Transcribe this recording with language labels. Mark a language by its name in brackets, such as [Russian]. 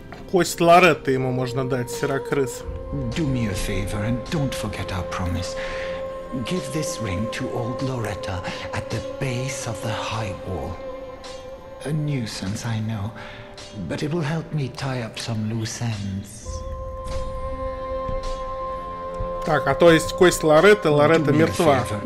[Russian] Кость Лоретты ему можно дать, серокрыс. [English] Do me a favor and don't forget our promise. Give this ring to old Loretta at the base of the high wall. A nuisance, I know, but it will help me tie up some loose ends. [Russian] Так, а то есть кость Лоретты, Лоретта мертва.